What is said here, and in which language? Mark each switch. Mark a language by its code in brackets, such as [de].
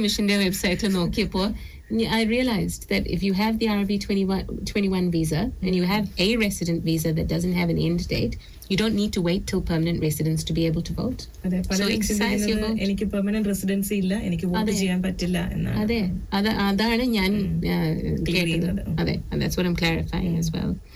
[en] I realized that if you have the RV21 visa and you have a resident visa that doesn't have an end date, you don't need to wait till permanent residence to be able to vote. So exercise your vote. [ml] എനിക്ക് permanent residency ഇല്ല, എനിക്ക് vote ചെയ്യാൻ പറ്റില്ല എന്നാണ്. അതെ, അതാണ് ഞാൻ കേട്ടത്. [en] അതെ, and that's what I'm clarifying as well.